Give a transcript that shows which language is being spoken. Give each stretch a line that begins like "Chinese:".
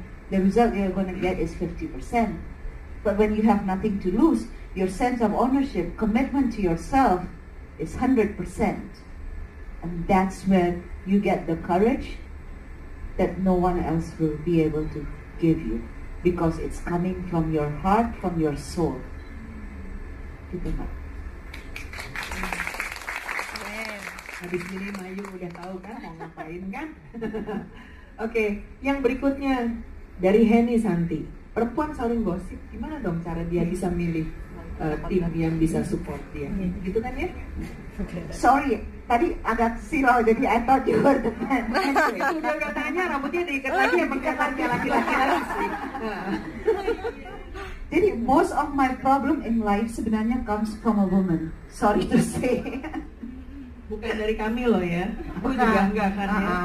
English: The result you're going to get is 50%. But when you have nothing to lose, your sense of ownership, commitment to yourself is 100%. And that's when you get the courage that no one else will be able to give you, because it's coming from your heart, from your soul.
Indonesian: Habis ini Mayu udah tahu kan mau ngapain kan? Oke, yang berikutnya dari Henny Santi. Perempuan saling gosip, gimana dong cara dia bisa milih tim yang bisa support dia? Gitu kan ya?
English: Sorry,
Indonesian: tadi agak silau jadi
English: I thought you were the man.
Indonesian: Udah gak tanya, rambutnya diikat lagi yang mengikatannya laki-laki lagi.
English: Jadi most of my problem in life sebenarnya comes from a woman. Sorry to say.
Indonesian: Bukan dari kami loh ya, aku juga enggak kan ya.